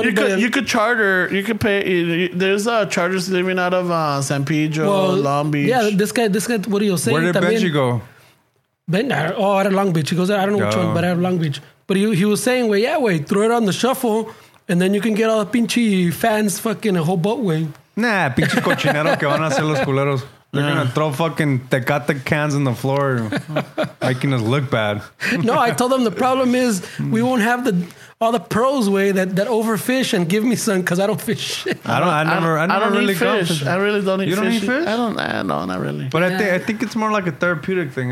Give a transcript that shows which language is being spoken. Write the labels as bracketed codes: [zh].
[en] anybody. You could pay. There's charters living out of San Pedro, Long Beach. Yeah, this guy, what are you saying? Where did Benji go? Out of Long Beach. He goes, I don't know which one, but out of Long Beach. But he was saying, well, yeah, wait, throw it on the shuffle. And then you can get all the pinche fans fucking a whole boat, güey. [es] Nah, pinche cochinero que van a hacer los culeros. [en] They're going to throw fucking Tecate cans on the floor, making us look bad. No, I told them the problem is we won't have all the pros, way that overfish and give me some because I don't fish shit. I don't really fish. I really don't eat fish. You don't fish? Eat fish? No, not really. But yeah. I think it's more like a therapeutic thing.